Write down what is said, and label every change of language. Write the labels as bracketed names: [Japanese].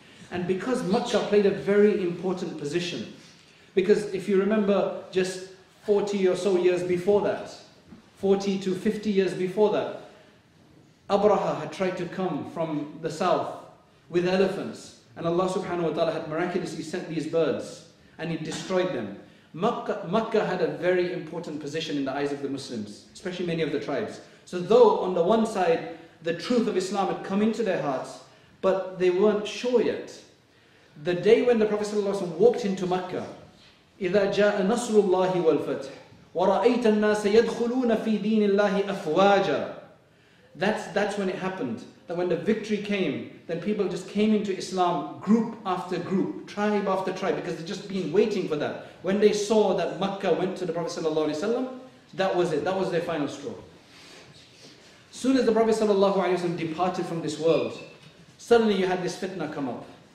[English] And because Makkah played a very important position, because if you remember just 40 or so years before that, 40 to 50 years before that, Abraha had tried to come from the south with elephants, and Allah subhanahu wa ta'ala had miraculously sent these birds and he destroyed them. Makkah had a very important position in the eyes of the Muslims, especially many of the tribes. So though on the one side the truth of Islam had come into their hearts, but they weren't sure yet. The day when the Prophet walked into Makkah, [Arabic] إِذَا جَاءَ نَصْرُ اللَّهِ وَالْفَتْحِ وَرَأَيْتَ النَّاسَ يَدْخُلُونَ فِي دِينِ اللَّهِ أَفْوَاجًا. [English] That's when it happened. That when the victory came, then people just came into Islam group after group, tribe after tribe, because they'd just been waiting for that. When they saw that Makkah went to the Prophet sallallahu alaihi wasallam, that was it. That was their final straw. Soon as the Prophet sallallahu alaihi wasallam departed from this world, suddenly you had this fitna come up.